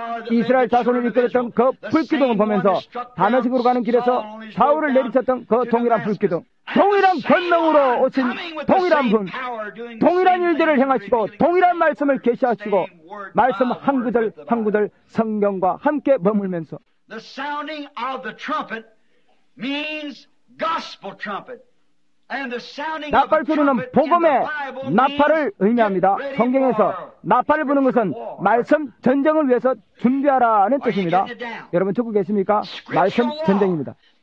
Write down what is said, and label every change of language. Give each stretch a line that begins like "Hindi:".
Korean: 이스라엘 자손을 이끌었던 그 불기둥을 보면서 다메섹으로 가는 길에서 사울을 내리쳤던 그 동일한 불기둥, 동일한 권능으로 오신 동일한 분, 동일한 일들을 행하시고 동일한 말씀을 계시하시고 말씀 한 구절 한 구절 성경과 함께 머물면서
English: The sounding of the trumpet means gospel trumpet.
Korean: 나팔 소리는 복음의 나팔을 의미합니다. 성경에서 나팔을 부는 것은 말씀 전쟁을 위해서 준비하라는 뜻입니다. 여러분 듣고 계십니까? 말씀 전쟁입니다.